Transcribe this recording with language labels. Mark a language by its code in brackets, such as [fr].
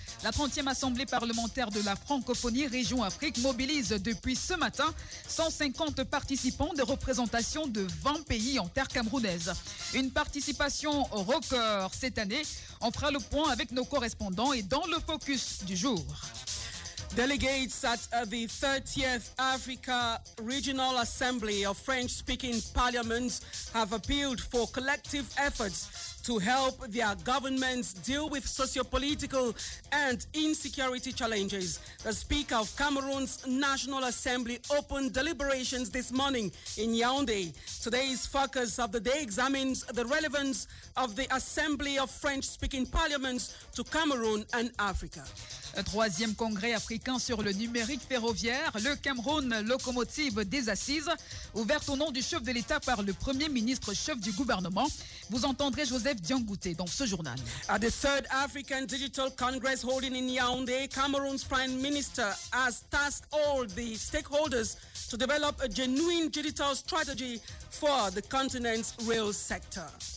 [fr] La 30e Assemblée parlementaire de la Francophonie Région Afrique mobilise depuis ce matin 150 participants des représentations de 20 pays en terre camerounaise. Une participation record cette année. On fera le point avec nos correspondants et dans le focus du jour. [en] Delegates at the 30th Africa Regional Assembly of French-speaking parliaments have appealed for collective efforts to help their governments deal with socio-political and insecurity challenges. The Speaker of Cameroon's National Assembly opened deliberations this morning in Yaoundé. Today's focus of the day examines the relevance of the Assembly of French-speaking parliaments to Cameroun and Africa. [fr] Un troisième congrès africain sur le numérique ferroviaire, le Cameroun Locomotive des Assises, ouvert au nom du chef de l'État par le premier ministre chef du gouvernement. Vous entendrez Joseph Diangouté dans ce journal. [en] At the third African Digital Congress holding in Yaoundé, Cameroon's prime minister has tasked all the stakeholders to develop a genuine digital strategy for the continent's rail sector.